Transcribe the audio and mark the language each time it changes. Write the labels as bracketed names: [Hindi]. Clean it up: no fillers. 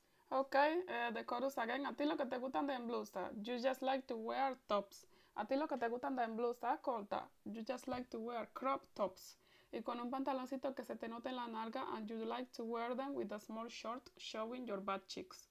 [English] Okay, the chorus again. [Spanish] A ti lo que te gustan de en blusa. [English] You just like to wear tops. [Spanish] A ti lo que te gustan de en blusa corta. [English] You just like to wear crop tops. [Spanish] Y con un pantaloncito que se te note en la nalga. [English] And you like to wear them with a small short showing your butt cheeks.